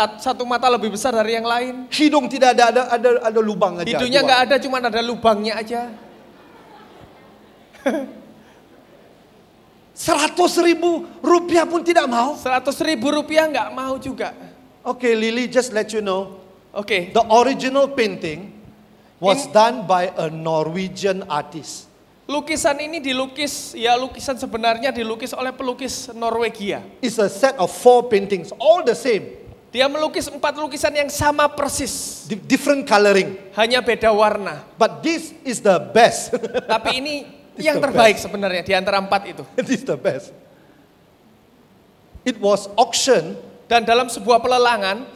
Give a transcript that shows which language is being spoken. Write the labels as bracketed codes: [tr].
[id] Satu mata lebih besar dari yang lain. Hidung tidak ada, ada lubang aja. Hidungnya enggak ada, cuma ada lubangnya aja. 100 ribu rupiah pun tidak mau. 100 ribu rupiah enggak mau juga. [en] Okay, Lily, just let you know. Okay. The original painting was done by a Norwegian artist. [id] Lukisan ini dilukis, ya lukisan sebenarnya dilukis oleh pelukis Norwegia. [en] It's a set of 4 paintings, all the same. [id] Dia melukis 4 lukisan yang sama persis. [en] Different coloring. [id] Hanya beda warna. [en] But this is the best. [id] Tapi ini yang terbaik sebenarnya di antara 4 itu. [en] This is the best. It was auctioned. [id] dan dalam sebuah pelelangan